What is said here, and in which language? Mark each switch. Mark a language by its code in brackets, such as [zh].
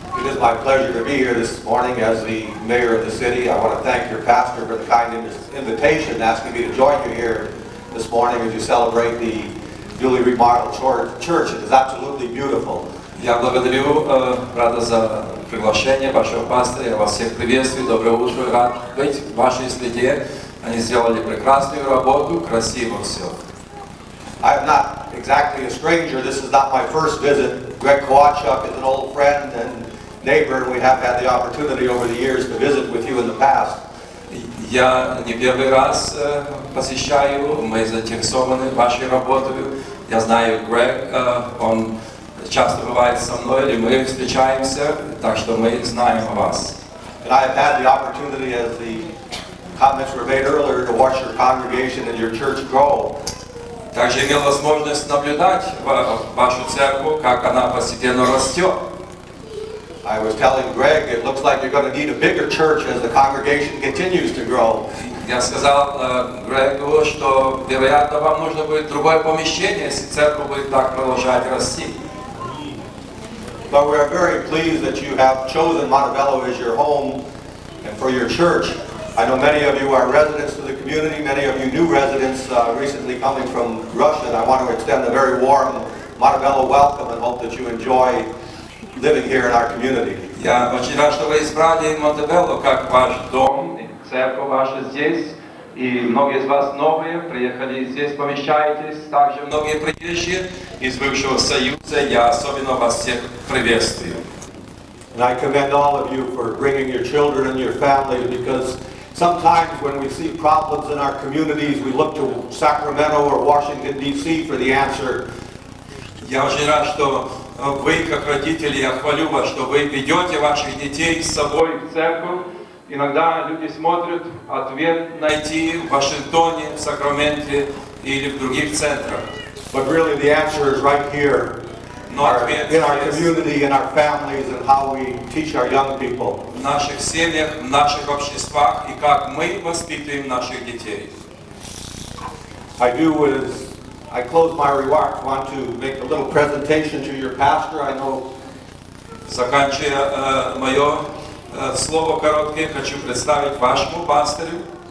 [en] It is my pleasure to be here this morning as the mayor of the city. I want to thank your pastor for the kind invitation asking me to join you here this morning as you celebrate the newly remodeled church. It is absolutely beautiful. [ru] Я благодарю брата за приглашение вашого пастора. Я вас всех приветствую. Доброе утро. Рад быть в вашей среде. Они сделали прекрасную работу, красиво все. [en] I am not exactly a stranger. This is not my first visit. Greg Kowalczuk is an old friend and neighbor. We have had the opportunity over the years to visit with you in the past. [ru] Я не первый раз посещаю, мы заинтересованы вашей работой. Я знаю Грег, он часто бывает со мной, или мы встречаемся, так что мы знаем о вас. [en] And I have had the opportunity, as the comments were made earlier, to watch your congregation and your church grow. [ru] Также имел возможность наблюдать вашу церковь, как она постепенно растет. [en] I was telling Greg, it looks like you're going to need a bigger church as the congregation continues to grow. [ru] Я сказал Грегу, что вероятно вам нужно будет другое помещение, если церковь будет так продолжать расти. [en] But we are very pleased that you have chosen Montebello as your home and for your church. I know many of you are residents of the community, many of you new residents recently coming from Russia, and I want to extend a very warm Montebello welcome and hope that you enjoy living here in our community. [ru] Я очень рад, что вы избрали Монтебелло как ваш дом, церковь ваша здесь. И многие из вас новые приехали здесь, помещаетесь. Также многие приезжие из бывшего Союза. Я особенно вас всех приветствую. [en] And I commend all of you for bringing your children and your family, because sometimes when we see problems in our communities, we look to Sacramento or Washington D.C. for the answer. [ru] Я очень рад, что вы как родители, я хвалю вас, что вы ведете ваших детей с собой в церковь. Иногда люди смотрят ответ найти в Вашингтоне, в Сакраменто или в других центрах. [en] But really the answer is right here. In our community, in our families, and how we teach our young people. [ru] В наших семьях, в наших обществах и как мы воспитываем наших детей. [en] I close my remarks. Want to make a little presentation to your pastor. I know. [ru] Заканчивая мое слово короткое, хочу представить вашему пастору.